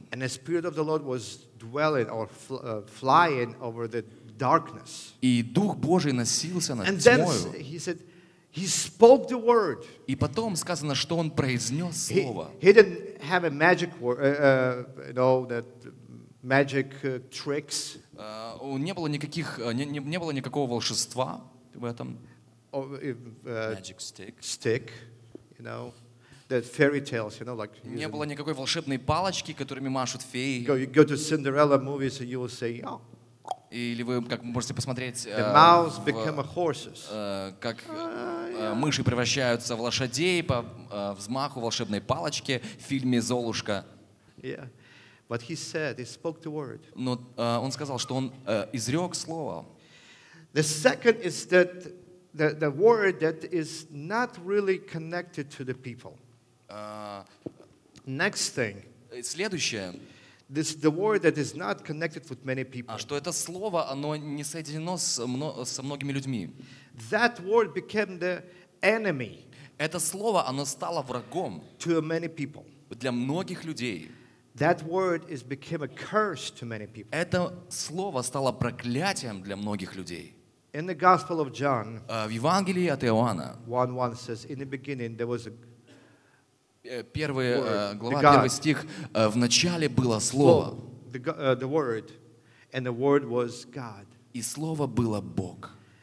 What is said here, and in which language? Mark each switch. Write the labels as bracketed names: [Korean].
[English] And the Spirit of the Lord was dwelling or flying over the darkness. [Russian] И Дух Божий носился над тьмою. [English] And then he said, he spoke the word. [Russian] И потом сказано, что он произнес слово. [English] He didn't have a magic word, you know, that magic tricks. [Russian] Не было никакого волшебства в этом. [English] Magic stick, you know. That fairy tales, you know, like. [Russian] Не было никакой волшебной палочки, которыми машут феи. [English] Go to Cinderella movies, and you will say, oh. [Russian] Или вы как можете посмотреть. [English] The mouse became a horses. [Russian] Как мыши превращаются в лошадей по взмаху волшебной палочки в фильме «Золушка». [English] Yeah, but he said, he spoke the word. [Russian] Но он сказал, что он изрек слово. [English] The second is that the word that is not really connected to the people. Next thing. [Russian] Следующее. [English] This is the word that is not connected with many people. [Russian] А что это слово, оно не соединено со многими людьми. [English] That word became the enemy. [Russian] Это слово, оно стало врагом. [English] To many people. [Russian] Для многих людей. [English] That word is became a curse to many people. [Russian] Это слово стало проклятием для многих людей. [English] In the Gospel of John. [Russian] В Евангелии от Иоанна. [English] 1:1 says, in the beginning there was a [Russian] первая глава, первый стих. В начале было Слово. И Слово было Бог.